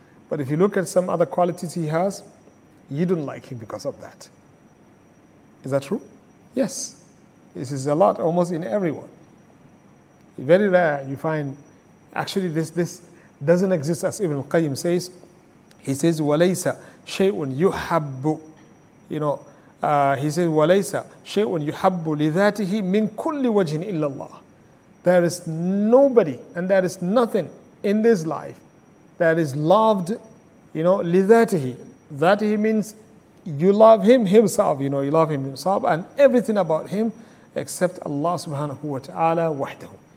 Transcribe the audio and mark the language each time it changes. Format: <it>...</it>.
<en>But if you look at some other qualities he has, you don't like him because of that. Is that true? Yes. This is a lot almost in everyone. Very rare you find, actually this doesn't exist, as Ibn al-Qayyim says. He says,</en> <ar>وَلَيْسَ شَيْءٌ يُحَبُّ,</ar> <en>you know, he says,</en> <ar>وَلَيْسَ شَيْءٌ يُحَبُّ لِذَاتِهِ مِنْ كُلِّ وَجْهٍ إِلَّا اللَّهِ.</ar> <en>There is nobody and there is nothing in this life that is loved, you know,</en> <ar>لِذَاتِهِ.</ar> <en>That he means you love him himself, you know, you love him himself and everything about him except Allah subhanahu wa ta'ala wahdahu.</en>